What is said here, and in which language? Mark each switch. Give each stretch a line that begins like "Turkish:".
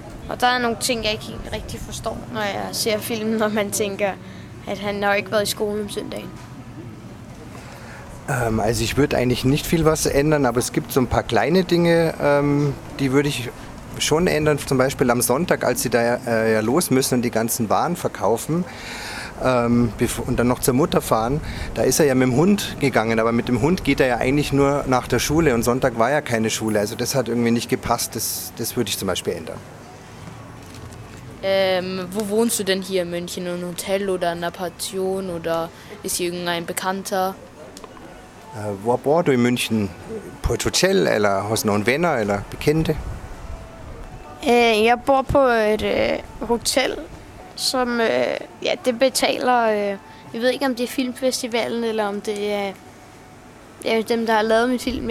Danish: Og der er nogle ting, jeg ikke helt rigtig forstår, når jeg ser filmen, når man tænker, at han har ikke været i skolen om søndagen.
German: Also ich würde eigentlich nicht viel was ändern, aber es gibt so ein paar kleine Dinge, die würde ich schon ändern. Zum Beispiel am Sonntag, als sie da ja los müssen und die ganzen Waren verkaufen und dann noch zur Mutter fahren, da ist er ja mit dem Hund gegangen, aber mit dem Hund geht er ja eigentlich nur nach der Schule und Sonntag war ja keine Schule. Also das hat irgendwie nicht gepasst, das würde ich zum Beispiel ändern. Wo wohnst du denn hier in München? In einem Hotel oder in einer Pension oder ist hier irgendein Bekannter? Wo bist du in München? Ein Hotel oder hast du noch Freunde oder Bekannte?
Danish: Jeg bor på et hotel, som det betaler. Jeg ved ikke om det er filmfestivalen eller om det er dem der har lavet min film.